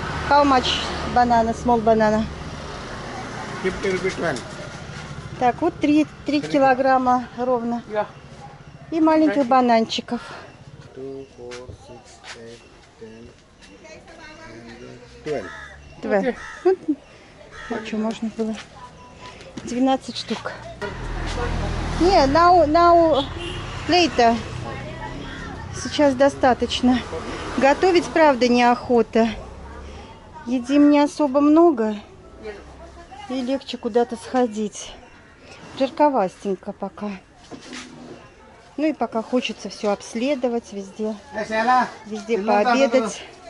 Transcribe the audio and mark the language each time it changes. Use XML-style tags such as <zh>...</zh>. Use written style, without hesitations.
<en>How much banana, small banana?</en> <ru>50 рублей. Так, вот 3 килограмма ровно.</ru> <en>Yeah.</en> <ru>И маленьких бананчиков. 2.</ru> <en>Okay.</en> <ru>Что, можно было? 12 штук. Не,</ru> <en>yeah, now later.</en> <ru>Сейчас достаточно. Готовить, правда, неохота. Едим не особо много. И легче куда-то сходить. Жарковастенько пока. Ну и пока хочется все обследовать везде. Везде пообедать.</ru>